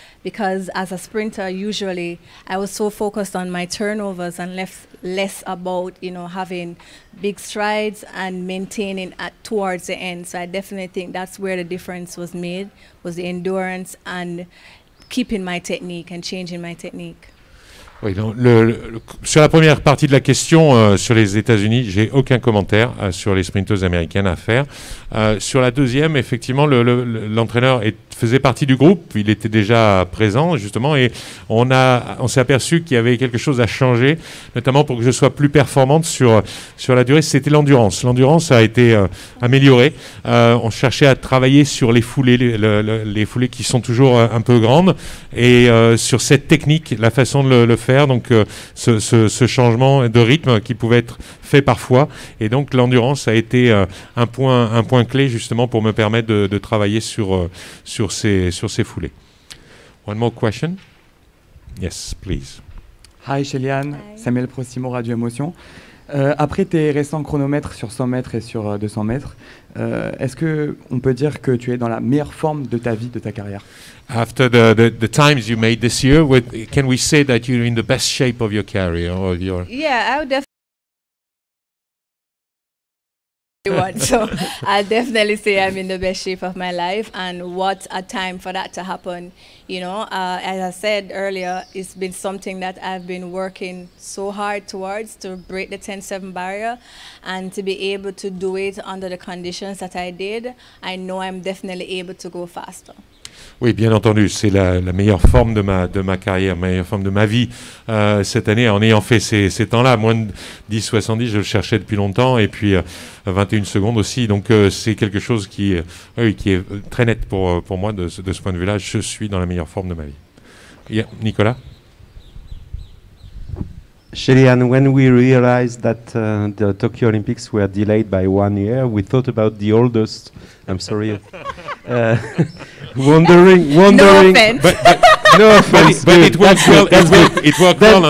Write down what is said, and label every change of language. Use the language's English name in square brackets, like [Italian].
[English] Because as a sprinter, usually I was so focused on my turnovers and less about, you know, having big strides and maintaining at towards the end. So I definitely think that's where the difference was made, was the endurance and keeping my technique and changing my technique. [French] Oui, donc sur la première partie de la question sur les États-Unis, j'ai aucun commentaire sur les sprinteuses américaines à faire. Sur la deuxième, effectivement, l'entraîneur est faisait partie du groupe, il était déjà présent justement, et on s'est aperçu qu'il y avait quelque chose à changer, notamment pour que je sois plus performante sur la durée. C'était l'endurance. L'endurance a été améliorée. On cherchait à travailler sur les foulées, les foulées qui sont toujours un peu grandes, et sur cette technique, la façon de le faire, donc ce changement de rythme qui pouvait être fait parfois. Et donc l'endurance a été un point clé justement pour me permettre de travailler sur ces foulées. [English] One more question. Yes, please. Hi Shelly-Ann, Samuel Prosimo, Radio Émotion. [French] Après tes récents chronomètres sur 100 mètres et sur 200 mètres, est-ce que on peut dire que tu es dans la meilleure forme de ta vie, de ta carrière? [English] After the times you made this year, can we say that you're in the best shape of your career or of your? Yeah, I would definitely want. So I definitely say I'm in the best shape of my life. And what a time for that to happen! You know, as I said earlier, it's been something that I've been working so hard towards, to break the 10-7 barrier, and to be able to do it under the conditions that I did. I know I'm definitely able to go faster. [French] Oui, bien entendu, c'est la meilleure forme de ma carrière, meilleure forme de ma vie cette année, en ayant fait ces temps-là. Moins de 10-70, je le cherchais depuis longtemps, et puis 21 secondes aussi. Donc c'est quelque chose qui est très net pour moi de ce point de vue-là. Je suis dans la meilleure forme de ma vie. [English] Yeah, Nicolas. Shelly-Ann, when we realized that the Tokyo Olympics were delayed by 1 year, we thought about the oldest. I'm sorry. wondering. No offense. But it worked well.